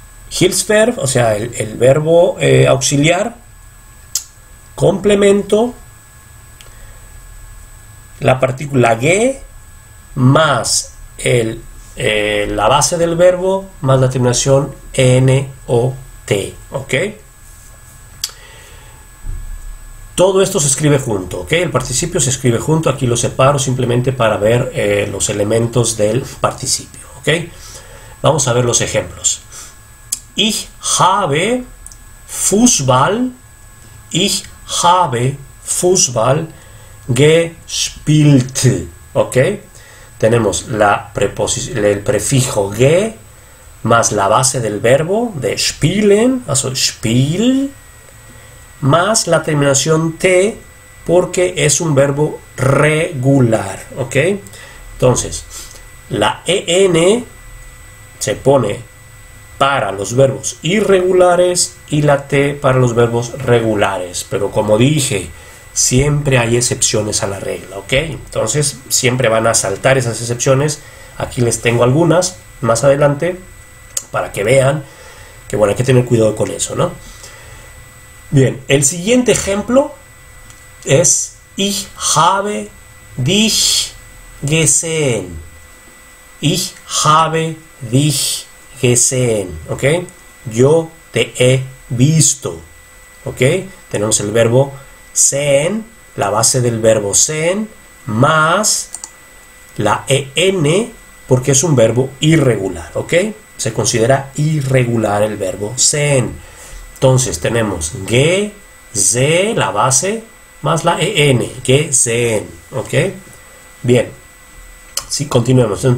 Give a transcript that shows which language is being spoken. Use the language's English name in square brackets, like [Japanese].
[Spanish] Hilfsverb, o sea, el verbo auxiliar, complemento, la partícula ge, más la base del verbo, más la terminación en o t, ¿ok? Todo esto se escribe junto, ¿ok? El participio se escribe junto, aquí lo separo simplemente para ver los elementos del participio, ¿ok? Vamos a ver los ejemplos. [German] Ich habe Fußball, ich habe Fußball gespielt, ¿ok? [Spanish] Tenemos el prefijo ge más la base del verbo de spielen, o sea, spiel, más la terminación t porque es un verbo regular, ¿ok? Entonces, la en se pone para los verbos irregulares y la t para los verbos regulares. Pero como dije, siempre hay excepciones a la regla, ¿ok? Entonces, siempre van a saltar esas excepciones. Aquí les tengo algunas más adelante para que vean que, bueno, hay que tener cuidado con eso, ¿no? Bien, el siguiente ejemplo es [German] Ich habe dich gesehen. Ich habe dich gesehen, ¿ok? [Spanish] Yo te he visto, ¿ok? Tenemos el verbo sehen, la base del verbo sehen, más la en, porque es un verbo irregular, ¿ok? Se considera irregular el verbo sehen. Entonces tenemos ge, se, la base, más la en, gesehen, ¿ok? Bien. Sí, continuemos.